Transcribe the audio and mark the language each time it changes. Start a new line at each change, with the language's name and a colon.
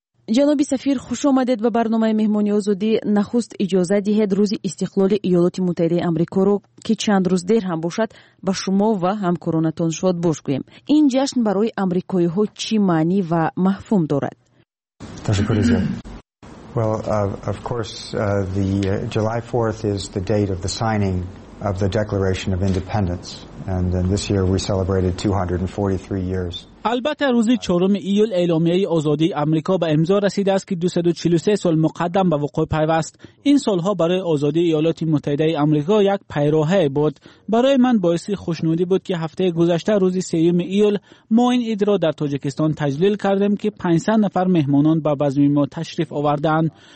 Persian: جناب سفیر، خوش آمدید به برنامه مهمانی آزادی. نخست اجازه دهید روز استقلال ایالات متحده آمریکا رو که چند روز دیر هم باشد با شما و همکارانتون شاد باش گویم. این جشن برای آمریکایی‌ها چی معنی و مفهوم دارد؟ تشکر زیاد.
English: Well, of course, the July 4th is the date of the signing of the Declaration of Independence, and then this year we celebrated 243 years.
Persian: البته روز 4 ایول اعلامیه آزادی آمریکا به امضا رسیده است که 243 سال مقدم به وقوع پیوست. این سالها برای آزادی ایالات متحده آمریکا یک پیروهه بود. برای من باعث خوشنودی بود که هفته گذشته روز 3 ایول ما این عید را در تاجیکستان تجلیل کردیم که 500 نفر مهمانان به بزم ما تشریف آوردند.